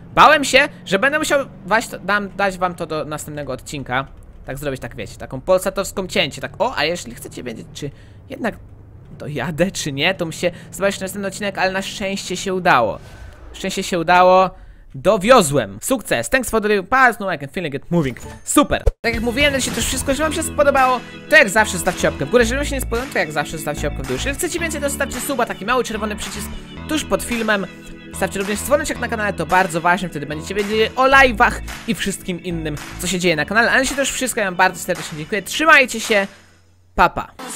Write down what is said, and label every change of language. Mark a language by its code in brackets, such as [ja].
[pl] Bałem się, że będę musiał dać wam to do następnego odcinka. Tak zrobić, tak wiecie, taką polsatowską cięcie. Tak, o, a jeśli chcecie wiedzieć, czy jednak... dojadę czy nie, to musicie zobaczyć następny odcinek, ale na szczęście się udało. Szczęście się udało, dowiozłem. [en] Sukces, thanks for the pass, no I can feel it moving. [pl] Super. Tak jak mówiłem, jeśli to już wszystko, że wam się spodobało, to jak zawsze zostawcie łapkę w górę, jeżeli wam się nie spodobało, to jak zawsze zostawcie łapkę w dół. Jeżeli chcecie więcej, to zostawcie suba, taki mały czerwony przycisk tuż pod filmem. Zostawcie również dzwoneczek na kanale, to bardzo ważne, wtedy będziecie wiedzieli o live'ach i wszystkim innym, co się dzieje na kanale. Ale jeśli to już wszystko, ja wam bardzo serdecznie dziękuję, trzymajcie się, pa pa.